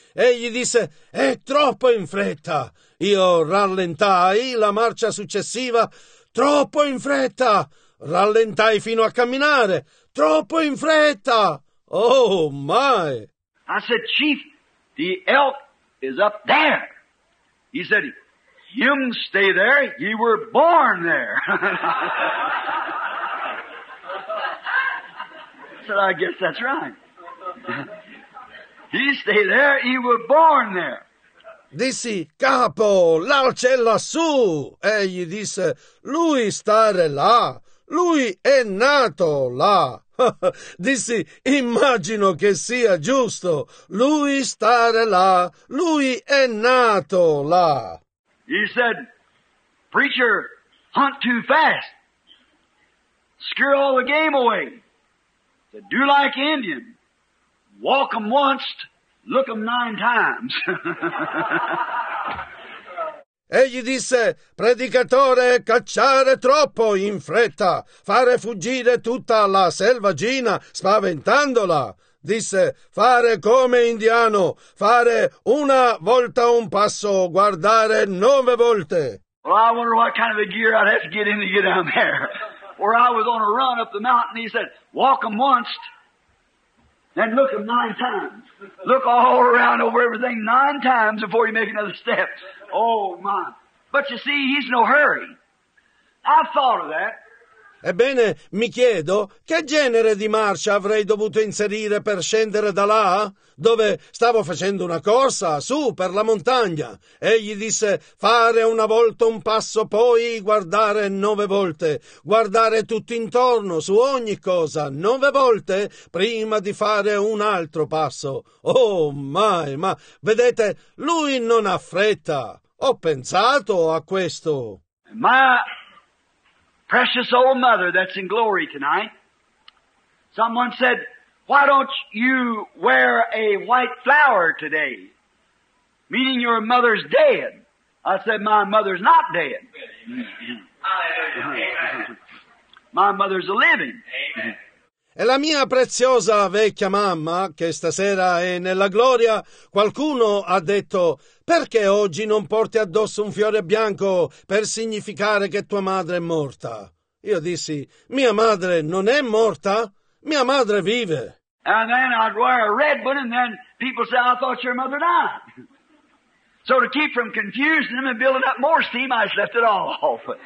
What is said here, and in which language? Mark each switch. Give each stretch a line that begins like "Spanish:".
Italian: Egli disse, è troppo in fretta. Io rallentai la marcia successiva, troppo in fretta, rallentai fino a camminare, troppo in fretta,
English: oh my. I said, chief, the elk is up there. He said, you can stay there, you were born there. I said, I guess that's right. He stay there, you were born there.
Italian: Dissi, capo, l'alce è lassù. Egli disse, lui stare là, lui è nato là. Dissi, immagino che sia giusto, lui stare là, lui è nato là.
English: He said, preacher, hunt too fast. Scare all the game away. He said, do like Indian. Walk 'em once, look 'em nine times.
Italian: Egli disse, predicatore, cacciare troppo in fretta, fare fuggire tutta la selvaggina spaventandola. Disse, fare come indiano, fare una volta un passo, guardare nove volte.
English: Well, I wonder what kind of a gear I'd have to get in to get down there. Or I was on a run up the mountain, he said, walk 'em once, then look 'em nine times. Look all around over everything nine times before you make another step. Oh, my. But you see, he's no hurry. I thought of that.
Italian: Ebbene, mi chiedo, che genere di marcia avrei dovuto inserire per scendere da là, dove stavo facendo una corsa, su, per la montagna? Egli disse, fare una volta un passo, poi guardare nove volte, guardare tutto intorno, su ogni cosa, nove volte, prima di fare un altro passo. Oh, mai, ma vedete, lui non ha fretta. Ho pensato a questo. Ma...
English: precious old mother that's in glory tonight. Someone said, why don't you wear a white flower today? Meaning your mother's dead. I said, my mother's not dead. Amen. Amen. My mother's a living. Amen.
Italian: E la mia preziosa vecchia mamma, che stasera è nella gloria, qualcuno ha detto, perché oggi non porti addosso un fiore bianco per significare che tua madre è morta? Io dissi, mia madre non è morta, mia madre vive.
English: And then I'd wear a red one, and then people say, I thought your mother died. So to keep from confusing them and building up more steam, I left it all off.